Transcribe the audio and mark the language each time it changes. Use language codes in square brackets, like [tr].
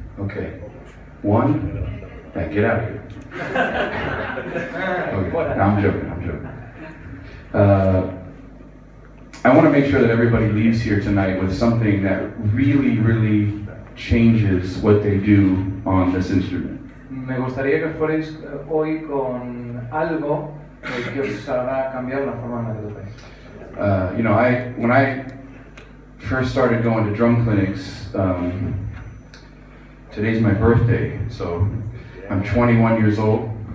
[en] Okay. One? Now get out of here. Okay. No, I'm joking. I want to make sure that everybody leaves here tonight with something that really, really changes what they do on this instrument. [es] Me gustaría que fuerais hoy con algo que os haga cambiar la forma en la que lo veis. [en] You know, when I first started going to drum clinics, today's my birthday, so I'm 21 years old.